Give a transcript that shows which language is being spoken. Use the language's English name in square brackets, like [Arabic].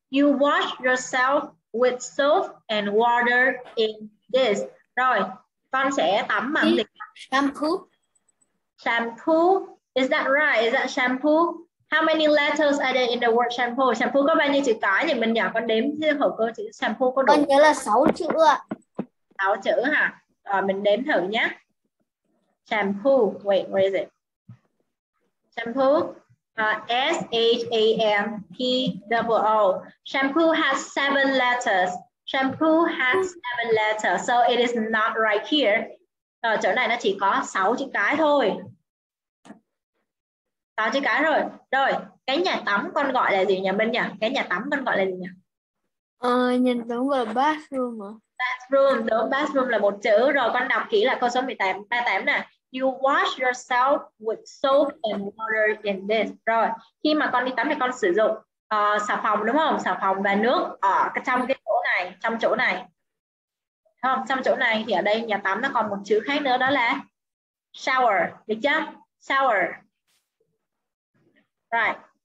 [English] You wash yourself with soap and water in this. [Vietnamese] Rồi, con sẽ tắm bằng gì? [English] Shampoo. Shampoo. Is that right? Is that shampoo? How many letters are there in the word shampoo? [Vietnamese] Shampoo có bao nhiêu chữ cái nhỉ? Mình nhỏ con đếm khẩu cơ chữ shampoo có đủ. Con nhớ là 6 chữ ạ. 6 chữ hả? Rồi mình đếm thử nhé. Shampoo. [English] Wait, where is it? [Vietnamese] Shampoo. [English] S-H-A-M-P-O-O. Shampoo has 7 letters. Shampoo has 7 letters. So it is not right here. [Vietnamese] Ở chỗ này nó chỉ có 6 chữ cái thôi. 6 chữ cái rồi. Rồi, cái nhà tắm con gọi là gì nhỉ Minh nhỉ? Cái nhà tắm con gọi là gì nhỉ? Nhà tắm gọi là bathroom à? Bathroom, đúng. Bathroom là một chữ. Rồi con đọc kỹ là câu số 18, 38 nè. [English] You wash yourself with soap and water in this. [Vietnamese] Rồi, khi mà con đi tắm thì con sử dụng xà phòng đúng không? Xà phòng và nước ở trong cái chỗ này, trong chỗ này. Không, trong chỗ này thì ở đây nhà tắm nó còn một chữ khác nữa đó là shower, được chưa? [English] Shower. Right.